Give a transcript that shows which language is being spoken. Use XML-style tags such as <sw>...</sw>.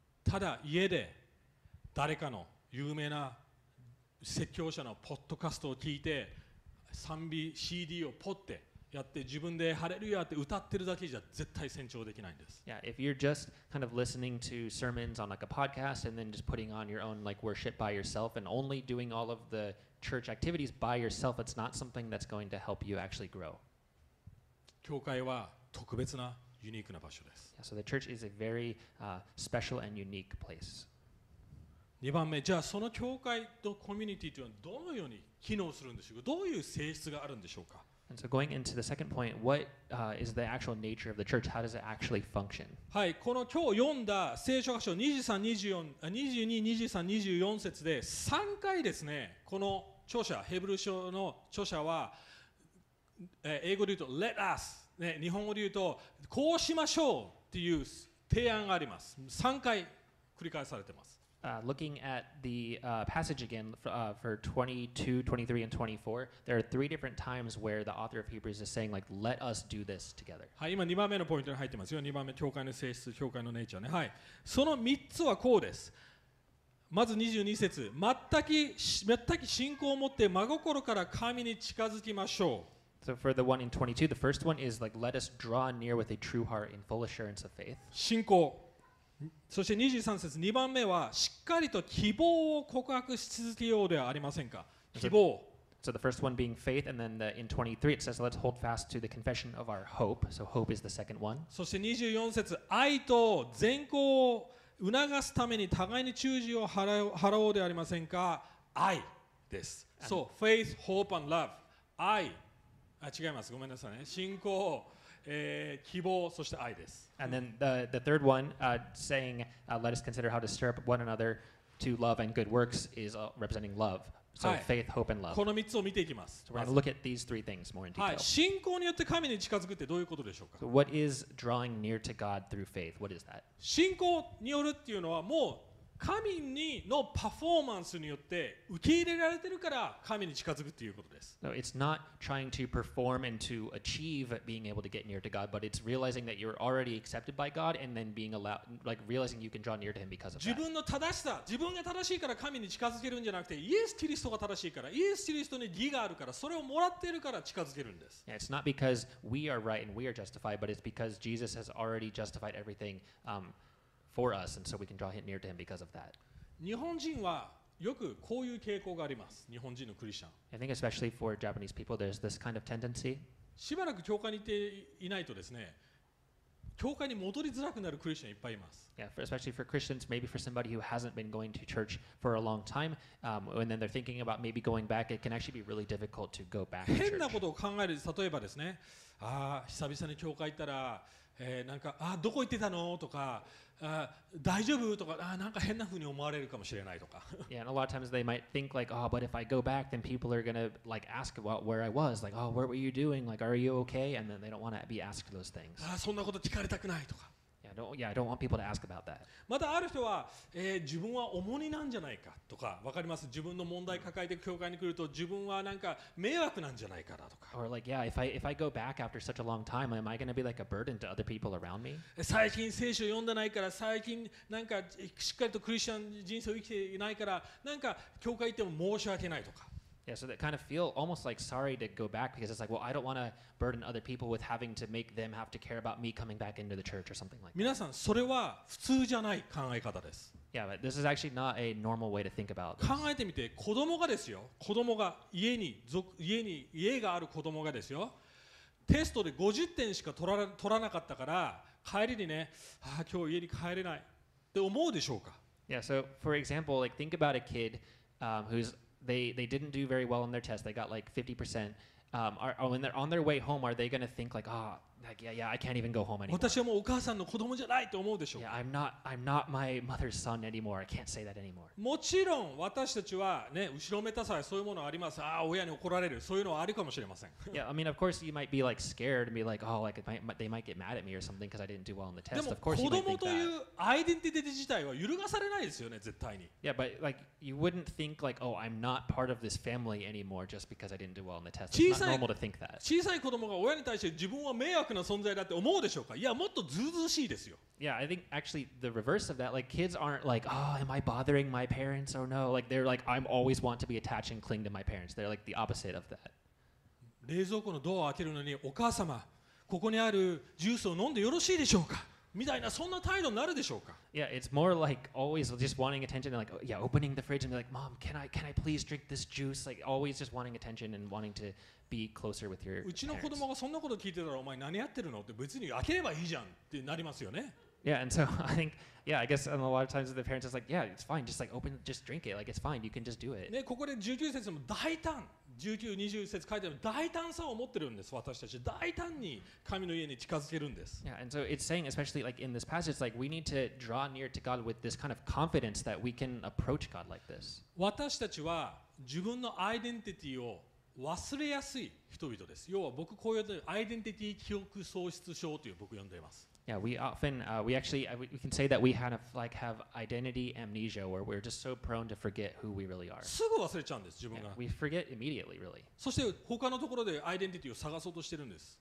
<ja>ただ家で誰かの有名な説教者のポッドキャストを聞いて賛美 CD をポッてやって自分でハレルヤって歌ってるだけじゃ絶対成長できないんです。</ja> <en>Yeah, if you're just kind of listening to sermons on like a podcast and then just putting on your own like worship by yourself and only doing all of the church activities by yourself, it's not something that's going to help you actually grow.</en> <ja>教会は特別なユニークな場所です。</ja> <en>Yeah, so the church is a very special and unique place.</en> <ja>2番目、じゃあその教会とコミュニティというのはどのように機能するんでしょうか。どういう性質があるんでしょうか。</ja> <en>And so going into the second point, what is the actual nature of the church? How does it actually function?</en> <ja>はい、この今日読んだ聖書箇所23、23、24節で3回ですね、この著者、ヘブル書の著者は、英語で言うと</ja> <en>Let us、</en> <ja>ね、日本語で言うとこうしましょうっていう提案があります。 3回繰り返されてます。</ja> <en>Looking at the passage again for 22, 23, and 24, there are three different times where the author of Hebrews is saying, like, let us do this together.</en> <ja>はい、今2番目のポイントに入ってますよ。2番目、教会の性質、教会のネイチャーね。はい。その3つはこうです。まず22節、全く信仰を持って真心から神に近づきましょう。</ja> <en>So for the one in 22, the first one is like, let us draw near with a true heart in full assurance of faith.</en> <ja>信仰。そして23節、2番目はしっかりと希望を告白し続けようではありませんか。希望。</ja> <en>So the first one being faith, and then in 23 it says, let's hold fast to the confession of our hope. So hope is the second one.</en> <ja>そして24節、愛と善行を促すために互いに忠実を払おうではありませんか。愛です。</ja> <en>So faith, hope, and love.</en> <ja>愛。あ、違います。ごめんなさいね。信仰。希望、そして愛です。</ja> <en>And then the third one, saying, let us consider how to stir up one another to love and good works is representing love. So、はい、faith, hope, and love.</en> <ja>この3つを見ていきます。</ja> <en>So、we're going to look at these three things more in detail.</en> <ja>はい、信仰によって神に近づくってどういうことでしょうか。</ja> <en>So、what is drawing near to God through faith? What is that?</en> <ja>信仰によるっていうのはもう神にのパフォーマンスによって受け入れられてるから神に近づくっていうことです。</ja> <en>No, it's not trying to perform and to achieve being able to get near to God, but it's realizing that you're already accepted by God and then being allowed, like realizing you can draw near to Him because of that.</en> <ja>自分の正しさ、自分が正しいから神に近づけるんじゃなくて、イエス・キリストが正しいから、イエス・キリストに義があるから、それをもらっているから近づけるんです。</ja> <en>Yeah, it's not because we are right and we are justified, but it's because Jesus has already justified everything. For us, and so we can draw near to him because of that.</en> <ja>日本人はよくこういう傾向があります。日本人のクリスチャン。</ja> <en>I think especially for Japanese people, there's this kind of tendency.</en> <ja>しばらく教会に行っていないとですね、教会に戻りづらくなるクリスチャンいっぱいいます。</ja> <en>Yeah, especially for Christians, maybe for somebody who hasn't been going to church for a long time, and then they're thinking about maybe going back, it can actually be really difficult to go back to church.</en> <ja>変なことを考える、例えばですね、ああ、久々に教会行ったら、なんか、あ、どこ行ってたのとか、大丈夫とか、あ、なんか変な風に思われるかもしれないとか。</ja> <en>Yeah, and a lot of times they might think like, oh, but if I go back, then people are gonna like ask about where I was, like, oh, where were you doing? Like, are you okay? And then they don't want to be asked those things.</en> <ja>あ、そんなこと聞かれたくないとか。</ja> <en>Yeah, I don't want people to ask about that.</en> <ja>またある人は、自分は重荷なんじゃないかとか、わかります。自分の問題抱えて教会に来ると、自分はなんか迷惑なんじゃないかなとか。</ja> <en>Or like, yeah, if I go back after such a long time, am I going to be like a burden to other people around me?</en> <ja>最近聖書読んでないから、最近なんかしっかりとクリスチャン人生を生きていないから、なんか教会行っても申し訳ないとか。</ja> <en>Yeah, so they kind of feel almost like sorry to go back because it's like, well, I don't want to burden other people with having to make them have to care about me coming back into the church or something like that.</en> <ja>皆さん、それは普通じゃない考え方です。</ja> <en>Yeah, but this is actually not a normal way to think about this.</en> <ja>考えてみて、子供がですよ、子供が家がある子供がですよ、テストで50点しか取らなかったから、帰りにね、あ、今日家に帰れないって思うでしょうか。</ja> <en>Yeah, so for example, like think about a kid who'sThey didn't do very well on their test. They got like 50%. When they're on their way home, are they going to think like, ah,、oh, like, yeah, I can't even go home anymore?</en> <ja>私はもうお母さんの子供じゃないと思うでしょう。</ja> <en>Yeah, I'm not my mother's son anymore. I can't say that anymore.</en> <ja>もちろん私たちはね、後ろめたさやそういうものあります。ああ、親に怒られる。そういうのはあるかもしれません。</ja> <en>Yeah, I mean, of course, you might be like scared and be like, oh, like, they might get mad at me or something because I didn't do well on the test.</en> <ja>でも子供というアイデンティティ自体は揺るがされないですよね、絶対に。</ja> <en>Yeah, but like, you wouldn't think like, oh, I'm not part of this family anymore just because I didn't do well on the test. It's not normal to think that.</en> <ja>小さい子供が親に対して自分は迷惑な存在だって思うでしょうか。いや、もっとずうずうしいですよ。</ja> <en>Yeah, I think actually the reverse of that, like kids aren't like, oh, am I bothering my parents? Oh no, like they're like, I'm always want to be attached and cling to my parents. They're like the opposite of that.</en> <ja>冷蔵庫のドアを開けるのにお母様、ここにあるジュースを飲んでよろしいでしょうか。みたいなそんな態度になるでしょうか。</ja> <en>Yeah, it's more like always just wanting attention. Like, yeah, opening the fridge and like, mom, can I please drink this juice? Like, always just wanting attention and wanting to be closer with your parents.</en> <ja>うちの子供がそんなこと聞いてたら、お前何やってるのって別に開ければいいじゃんってなりますよね。</ja> <en>Yeah, and so I think, yeah, I guess a lot of times the parents is like, yeah, it's fine, just like open, just drink it, like it's fine, you can just do it.</en> <ja>ね、ここで19節も大胆、19、20節書いてある大胆さを持ってるんです、私たち。大胆に神の家に近づけるんです。</ja> <en>Yeah, and so it's saying, especially like in this passage, like we need to draw near to God with this kind of confidence that we can approach God like this.</en> <ja>私たちは自分のアイデンティティを忘れやすい人々です。要は僕こういうアイデンティティ記憶喪失症という僕呼んでいます。</ja> <en>Yeah, we often, we actually, we can say that we kind of like have identity amnesia where we're just so prone to forget who we really are.</en> <ja>すぐ忘れちゃうんです、自分が。</ja> <en>We forget immediately, really.</en> <ja>そして他のところでアイデンティティを探そうとしてるんです。</ja>